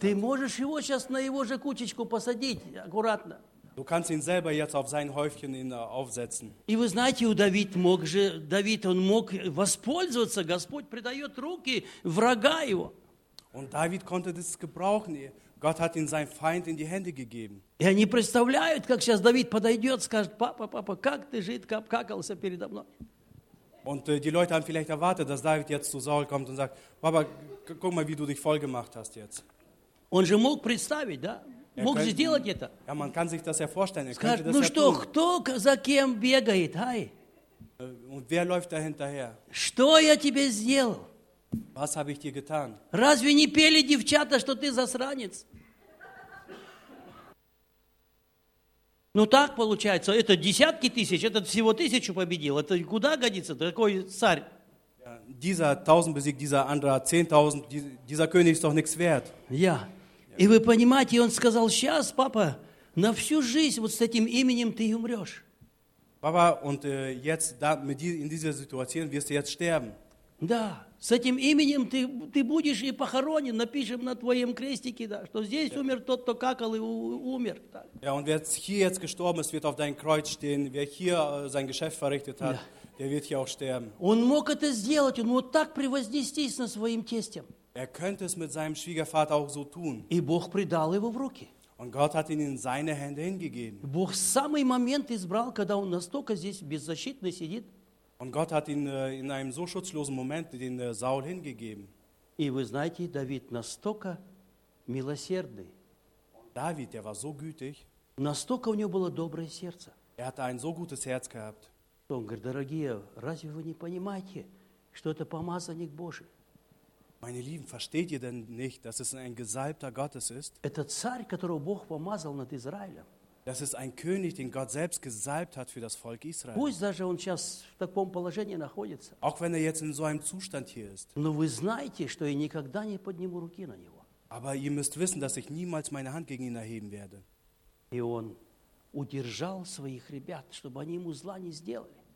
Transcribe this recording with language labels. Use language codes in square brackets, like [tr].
[ru] Ты можешь его сейчас на его же кучечку посадить, аккуратно. [de] Du kannst ihn selber jetzt auf sein Häufchen aufsetzen. [ru] И вы знаете, у Давид мог же, Давид, он мог воспользоваться, Господь предает руки врага его. [de] Und David konnte das gebrauchen. Gott hat ihn seinen Feind in die Hände gegeben. [ru] И они представляют, как сейчас Давид подойдет, скажет, папа, папа, как ты жидко обкакался передо мной. [de] Und die Leute haben vielleicht erwartet, dass David jetzt zu Saul kommt und sagt, Papa, guck mal, wie du dich voll gemacht hast jetzt. [ru] Он же мог представить, да? Мог же сделать это. [de] Ja, man kann sich das ja vorstellen. [ru] Скажет, ну что, кто за кем бегает, ай? [de] Und wer läuft da hinterher? [ru] Что я тебе сделал? [de] Was habe ich dir getan? [ru] Разве не пели девчата, что ты засранец? Ну так получается, это десятки тысяч, этот всего тысячу победил. Это куда годится? Такой царь. [de] Ja, dieser tausend besiegt, dieser andere zehntausend, dieser König ist doch nichts wert. Ja. [ru] И вы понимаете, он сказал, сейчас, папа, на всю жизнь вот с этим именем ты умрешь. [de] Papa, und jetzt da, in dieser Situation wirst du jetzt sterben. [ru] Да, с этим именем ты будешь и похоронен, напишем на твоем крестике, да, что здесь умер тот, кто какал и умер. [de] Ja, und wer hier jetzt gestorben ist, wird auf dein Kreuz stehen. Wer hier sein Geschäft verrichtet hat, der wird hier auch sterben. [ru] Он мог это сделать, он вот так превознестись на своим тестем. [de] Er könnte es mit seinem Schwiegervater auch so tun. [ru] И Бог предал его в руки. [de] Und Gott hat ihn in seine Hände hingegeben. [ru] Бог самый момент избрал, когда он настолько здесь беззащитно сидит. [de] Und Gott hat ihn in einem so schutzlosen Moment den Saul hingegeben. [ru] И вы знаете, Давид настолько милосердный. [de] David, der war so gütig. [ru] Настолько у него было доброе сердце. [de] Er hatte ein so gutes Herz gehabt. [ru] Он говорит, дорогие, разве вы не понимаете, что это помазанник Божий? [de] Meine Lieben, versteht ihr denn nicht, dass es ein gesalbter Gottes ist? [ru] Это царь, которого Бог помазал над Израилем. [de] Das ist ein König, den Gott selbst gesalbt hat für das Volk Israel. [ru] Пусть даже он сейчас в таком положении находится. [de] Auch wenn jetzt in so einem Zustand hier ist. [ru] Но вы знаете, что я никогда не подниму руки на него. [de] Aber ihr müsst wissen, dass ich niemals meine Hand gegen ihn erheben werde. [ru] И он удержал своих ребят, чтобы они ему зла не сделали.